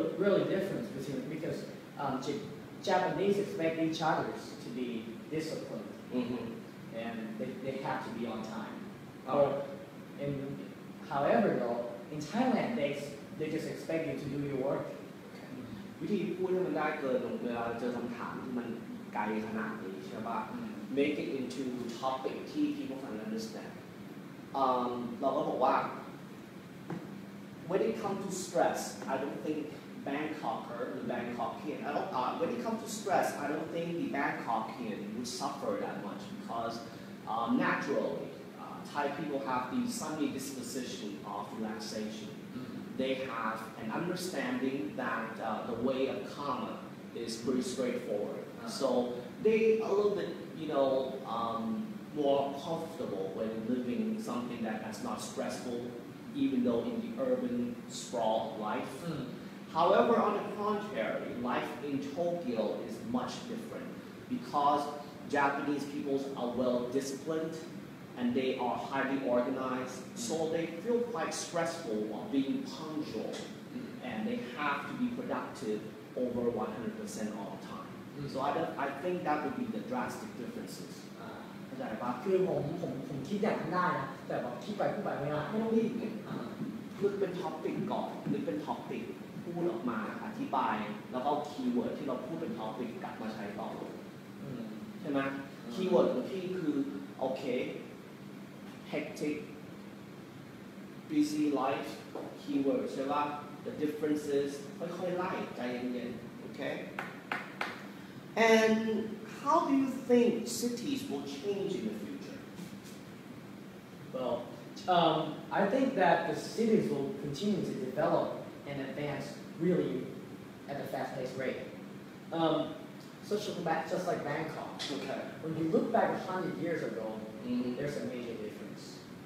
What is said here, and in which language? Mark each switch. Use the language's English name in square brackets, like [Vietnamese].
[English] Really different because Japanese expect each other to be disciplined, and they have to be on time. However, in Thailand, they just expect you to do your work. [Thai] วิธีพูดให้มันได้เกินเวลาเจอคำถามที่มันไกลขนาดนี้ใช่ป่ะ [English] Make it into topic [Thai] ที่ [English] people can understand. [Thai] เราก็บอกว่า [English] when it comes to stress I don't think Bangkoker the Bangkokian when it comes to stress I don't think the Bangkokian would suffer that much because naturally Thai people have the sunny disposition of relaxation they have an understanding that the way of karma is pretty straightforward so they a little bit you know more comfortable when living something that is not stressful, even though in the urban sprawl life. However, on the contrary, life in Tokyo is much different because Japanese people are well disciplined and they are highly organized, so they feel quite stressful while being punctual and they have to be productive over 100% all the time. So I think that would be the drastic differences. [Thai] ใช่ป่ะคือผมคิดอย่างนั้นได้นะแต่แบบคิดไปพูดไปไม่ได้ไม่ต้องรีบไง คือเป็นท็อปปิกก่อนหรือเป็นท็อปปิกพูดออกมาอธิบายแล้วก็คีย์เวิร์ดที่เราพูดเป็นท็อปปิกกลับมาใช้ต่อใช่ไหมคีย์เวิร์ดของพี่คือโอเค [English] hectic busy life [Thai] คีย์เวิร์ดใช่ป่ะ [English] the differences [Thai] ค่อยๆไล่ใจเย็นๆโอเค [English] andHow do you think cities will change in the future? Well, I think that the cities will continue to develop and advance really at a fast-paced rate. Just like Bangkok. Okay. When you look back 100 years ago, there's a major difference.